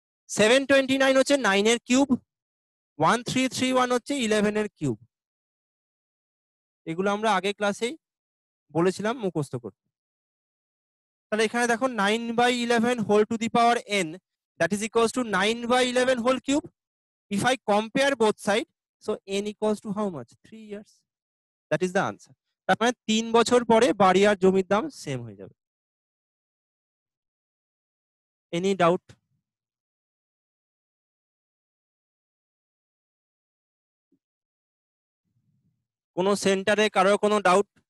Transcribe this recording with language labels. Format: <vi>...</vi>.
<bn>729 হচ্ছে 9-এর কিউব, 1,331 হচ্ছে 11-এর কিউব, এগুলো আমরা আগে ক্লাসেই বলেছিলাম মুখস্থ করতে। তাহলে এখানে দেখো</bn> <en>9/11 whole to the power n, that is equals to 9/11 whole cube. If I compare both side, so n equals to how much? 3 years. That is the answer.</en> <bn>তার মানে 3 বছর পরে বাড়ি আর জমির দাম সেম হয়ে যাবে।</bn> <en>Any doubt?</en> <bn>কোনো সেন্টারে কারো কোনো ডাউট?</bn>